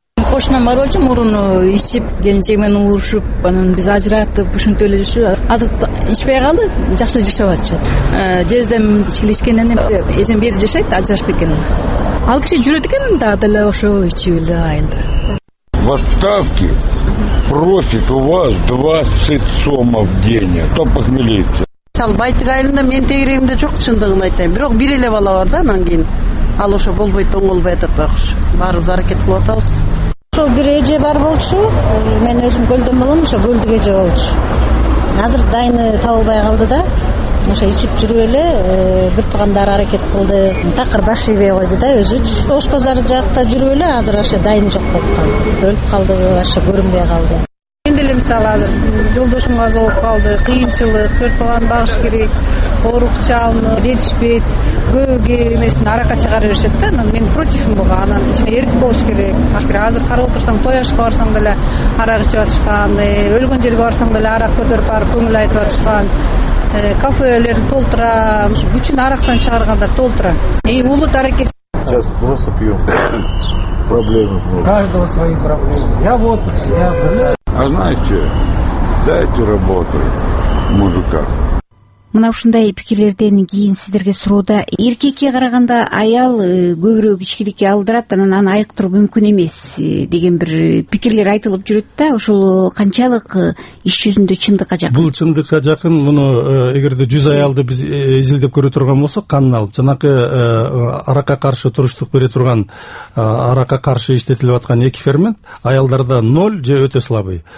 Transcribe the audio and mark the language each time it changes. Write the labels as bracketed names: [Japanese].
[Kyrgyz] Кошунам бар болчу, мурун ичип келинчеги менен урушуп анан биз ажыратып ушинтип эле жүрчү. Азыр ичпей калды, жакшы эле жашап атышат. Жездем ичкилик ичкенден эжем бир жашайт, ажырашып кеткен. Ал киши жүрөт экен дагы деле ошо ичип эле айылда. [Russian] В отставке просит у вас 20 сомов денег, то похмелиться. [Kyrgyz] Ал байтык айылында мен тегеремде жок, чындыгын айтайын. Бирок бир эле бала бар да, анан кийин ал ошо болбойт, оңолбой атат байкуш. Баарыбыз аракет кылып атабыз. Ошо бир эже бар болчу, мен өзүм көлдөн болом, ошо көлдүк эже болчу. Азыр дайыны табылбай калды да, ошо ичип жүрүп эле бир туугандар аракет кылды. Такыр баш ийбей койду да, өзү ошпазар жакта жүрүп эле азыр ошо дайыны жок болуп калды. Өлүп калды, ошо көрүнбөй калды. Мен деле мисалы азыр жолдошум каза болуп калды, кыйынчылык, төрт баланы багыш керек, оорук чалынып жетишпейт, көөгө эмесин арака чыгара беришет да, анан мен противмин буга, анан ичине эрк болуш керек. Азыр карап отурсаң, той ашка барсаң деле арак ичип атышкан, өлгөн жерге барсаң деле арак көтөрүп барып көңүл айтып атышкан. Кафелер толтура, ушу күчүн арактан чыгаргандар толтура. Улут аракет. [Russian] Сейчас просто пьем. Проблемы много. Каждого свои проблемы. Я в отпуске, я в отпуске. А знаете, дайте работу мужикам. [Kyrgyz] Мына ушундай пикирлерден кийин сиздерге суроодо эркекке караганда аял көбүрөөк ичкиликке алдырат, анан аны айыктыруу мүмкүн эмес деген бир пикирлер айтылып жүрөт да, ошол канчалык иш жүзүндө чындыкка жакын? Бул чындыкка жакын. Муну эгерде 100 аялды биз изилдеп көрө турган болсок, канын алып жанакы арака каршы туруштук бере турган, арака каршы иштетилип аткан эки фермент аялдарда ноль же өтө слабый.